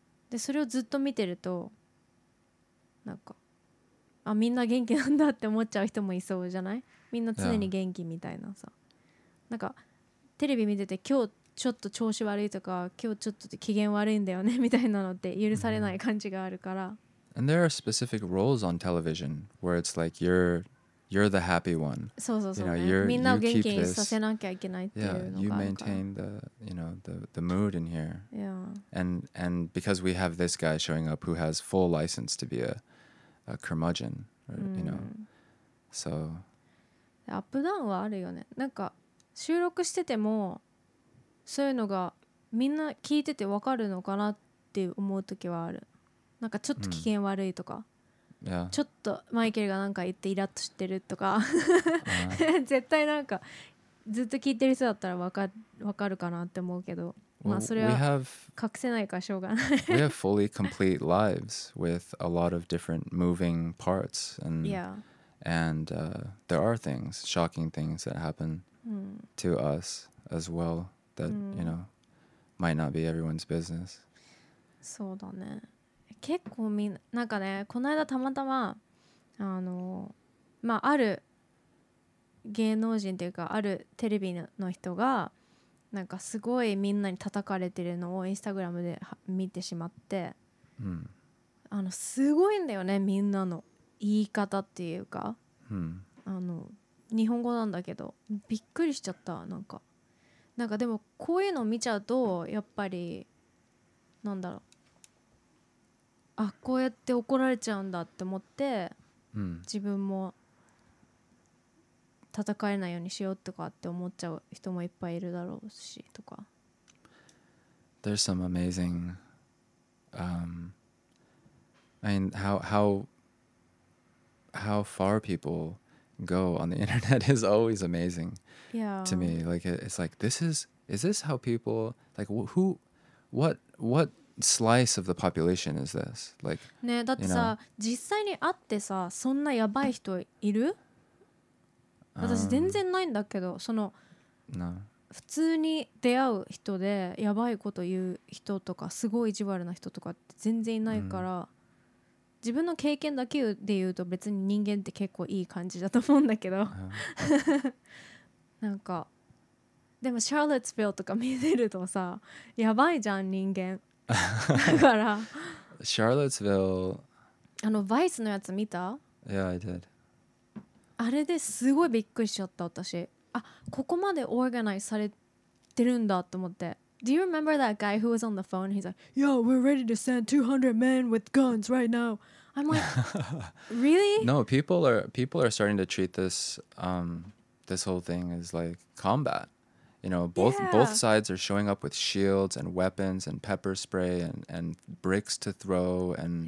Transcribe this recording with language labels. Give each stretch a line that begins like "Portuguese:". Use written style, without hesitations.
Japanese: で、それをずっと見てるとなんか、あ、みんな元気なんだって思っちゃう人もいそうじゃない？みんな常に元気みたいなさ、なんかテレビ見てて今日ちょっと調子悪いとか今日ちょっと機嫌悪いんだよねみたいなのって許されない感じがあるから、 mm-hmm.
English: And there are specific roles on television where it's like you're the happy one.
Japanese: そうそうそう、ね、
English: you know,
Japanese: みんなを元気にさせなきゃいけないっていうのがあるから、
English: yeah, you maintain the, you know, the mood in here. Yeah. And because we have this guy showing up who has full license to be a curmudgeon, you know. So, up down
Japanese: はあるよね。なんか収録しててもそういうのがみんな聞いててわかるのかなって思うときはある。なんかちょっと機嫌悪いとか、
English: yeah.
Japanese: ちょっとマイケルがなんか言ってイラッとしてるとか、絶対なんかずっと聞いてる人だったらわかるかなって思うけど。
English: Well, we have,
Japanese: 隠せないかしょうがない。
English: We have fully complete lives with a lot of different moving parts, and yeah. And there are things, shocking things that happen to us as well that, you know, might not be everyone's business.
Japanese: そうだね。結構みんな、なんかね、この間たまたま、まあ、ある芸能人というか、あるテレビの人が、なんかすごいみんなに叩かれてるのをインスタグラムで見てしまって、うん、あのすごいんだよねみんなの言い方っていうか、うん、あの日本語なんだけどびっくりしちゃった。なんかでもこういうの見ちゃうとやっぱりなんだろう、あこうやって怒られちゃうんだって思って、うん、自分も戦えないようにしようとかって思っちゃう人もいっぱいいるだろうしとか。
English: There's some amazing I mean how far people go on the internet is always amazing to me. Like it's like is this how people like who what slice of the population is this? Like
Japanese: ね、だってさ、実際に会ってさ、そんなやばい人いる？私全然ないんだけど、その、
English: no.
Japanese: 普通に出会う人でやばいこと言う人とかすごい意地悪な人とかって全然いないから、mm. 自分の経験だけで言うと別に人間って結構いい感じだと思うんだけど、なんかでもシャーロッツビルとか見てるとさ、やばいじゃん人間。だからシャーロッツビル、あのバイスのやつ見た？
English: Yeah, I did.
Japanese: あれですごいびっくりしちゃった私。あ、ここまでオーガナイズされてるんだと思って。
English: Do you remember that guy who was on the phone? He's like, "Yo, we're ready to send 200 men with guns right now." I'm like, "Really?" No, people are starting to treat this this whole thing as like combat. You know, both sides are showing up with shields and weapons and pepper spray and bricks to throw and